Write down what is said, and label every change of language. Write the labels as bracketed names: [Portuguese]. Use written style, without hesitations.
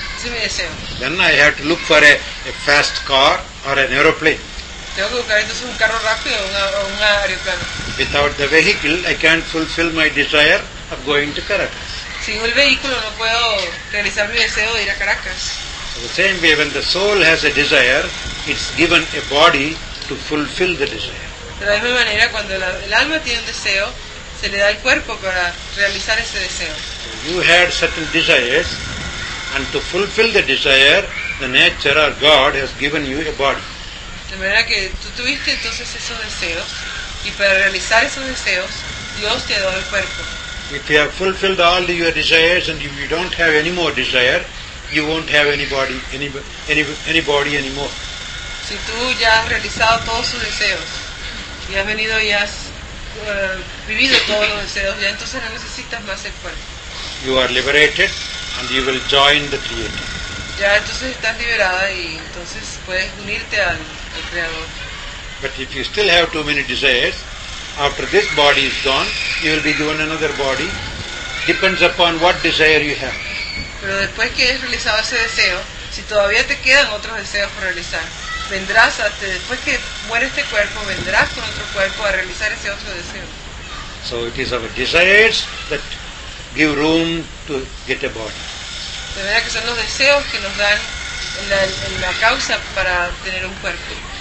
[Spanish] Ese es mi deseo. [English] Then I have to look for a fast car or an aeroplane. [Spanish] Tengo que buscar entonces un carro rápido o un aeroplano. [English] Without the vehicle, I can't fulfill my desire of going to Caracas. [Spanish] Sin el vehículo no puedo realizar mi deseo de ir a Caracas. [English] So the same way, when the soul has a desire, it's given a body to fulfill the desire. [Spanish] De la misma manera, cuando el alma tiene un deseo, se le da el cuerpo para realizar ese deseo. [English] You had certain desires, and to fulfill the desire, the nature or God has given you a body. [Spanish] De manera que tú tuviste entonces esos deseos, y para realizar esos deseos, Dios te ha dado el cuerpo. [English] If you have fulfilled all your desires and you don't have any more desire, you won't have anybody anymore. [Spanish] Si tú ya has realizado todos sus deseos, y has venido y has vivido todos los deseos, ya entonces no necesitas más el cuerpo. [English] You are liberated and you will join the Creator. [Spanish] Ya entonces estás liberada y entonces puedes unirte al Creador. [English] But if you still have too many desires, after this body is gone, you will be given another body. Depends upon what desire you have. [Spanish] Pero después que hayas realizado ese deseo, si todavía te quedan otros deseos por realizar, vendrás hasta después que muere este cuerpo, vendrás con otro cuerpo a realizar ese otro deseo. [English] So it is our desires that give room to get a body. [Spanish] De verdad que son los deseos que nos dan la causa para tener un cuerpo.